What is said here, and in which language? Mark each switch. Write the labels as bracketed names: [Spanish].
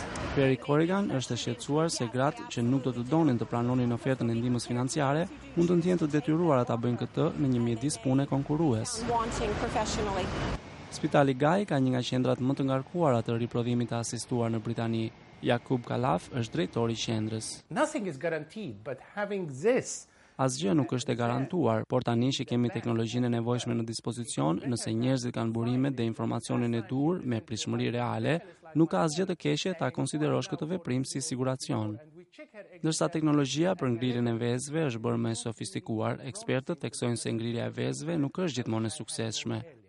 [Albanian] Perry Corrigan është e shqetësuar se gratë që nuk do të donin të pranonin ofertën e ndihmës financiare mund të ndjehen të detyruara ta bëjnë këtë në një mjedis pune konkurues. Spitali Guy ka një nga qendrat më të ngarkuara të riprodhimit të asistuar në Britani. Jakub Kalaf është drejtori i qendrës. [English] Nothing is guaranteed, but having this. [Albanian] Asgjë nuk është e garantuar, por tani që kemi teknologjinë e nevojshme në dispozicion, nëse njerëzit kanë burimet dhe informacionin e duhur me pritshmëri reale, nuk ka asgjë të keqe ta konsiderosh këtë veprim si siguracion. Ndërsa teknologjia për ngrirjen e vezëve është bërë më sofistikuar, ekspertët theksojnë se ngrirja e vezëve nuk është gjithmonë e suksesshme.